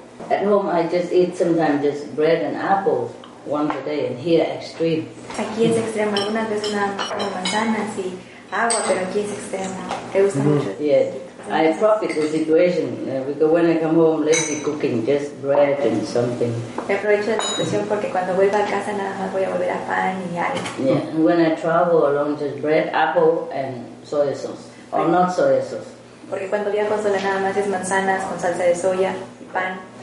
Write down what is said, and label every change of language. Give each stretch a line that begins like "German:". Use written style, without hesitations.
English: At home, I just eat sometimes just bread and apples once a day, and here, extreme.
Spanish: Aquí es extremo. Algunas veces una manzana y agua, pero aquí es extremo. Te gusta mucho.
English: Yeah. I profit the situation because when I come home, lazy cooking, just bread and something.
Spanish: Me aprovecho de la situación porque cuando vuelva a casa nada más voy a volver a pan y algo.
English: Yeah. And when I travel alone, just bread, apple, and soy sauce. Or not soy sauce.
Spanish: Porque cuando viajo sola nada más es manzanas con salsa de soya y pan.